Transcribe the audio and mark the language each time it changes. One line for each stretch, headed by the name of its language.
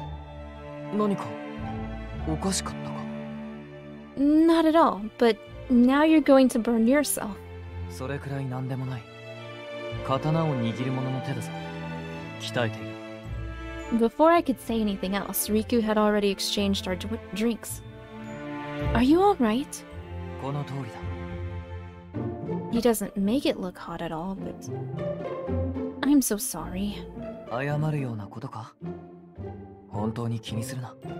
Japanese: お前がやけどしては困る。え、何かおかしかったか?
English: Not at all, but now you're going to burn yourself.
Japanese: それくらい何でもない。刀を握る者の手だぞ。鍛えている。
English: Before I could say anything else, Riku had already exchanged our drinks. Are you all right?
Japanese: この通りだ。
English: He doesn't make it look hot at all, but... I'm so sorry.
Japanese: 謝るようなことか?本当に気にするな。